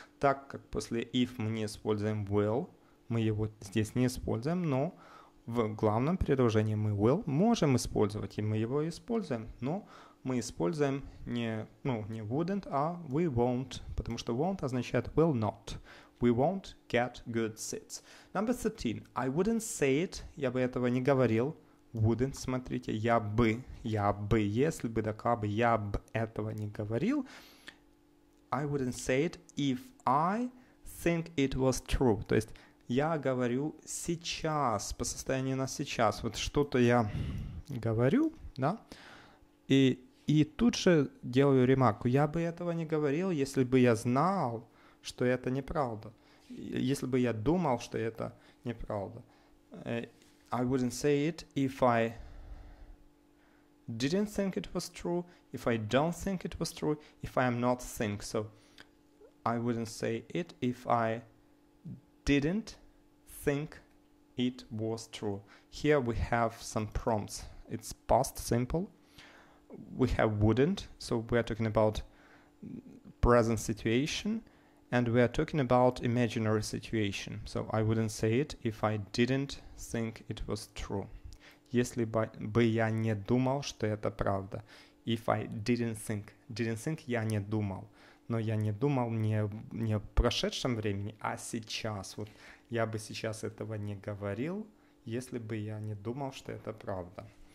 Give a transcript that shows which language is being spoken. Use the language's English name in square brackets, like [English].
[Russian] Так как после if мы не используем will, мы его здесь не используем, но в главном предложении мы will можем использовать, и мы его используем, но мы используем не wouldn't, а [English] we won't, [Russian] потому что won't означает will not. [English] We won't get good seats. Number 13. I wouldn't say it. [Russian] Я бы этого не говорил. Wouldn't, смотрите. Я бы. Если бы, да кабы, я бы этого не говорил. [English] I wouldn't say it if I think it was true. [Russian] То есть я говорю сейчас, по состоянию на сейчас. Вот что-то я говорю, да? И И тут же делаю ремарку. Я бы этого не говорил, если бы я знал, что это неправда. Если бы я думал, что это неправда. [English] I wouldn't say it if I didn't think it was true, if I don't think it was true, if I am not think. So I wouldn't say it if I didn't think it was true. Here we have some prompts. It's past simple. We have wouldn't, so we are talking about present situation, and we are talking about imaginary situation. So I wouldn't say it if I didn't think it was true. [Russian] Если бы я не думал, что это правда. [English] If I didn't think, [Russian] я не думал. Но я не думал не в прошедшем времени, а сейчас. Вот я бы сейчас этого не говорил, если бы я не думал, что это правда.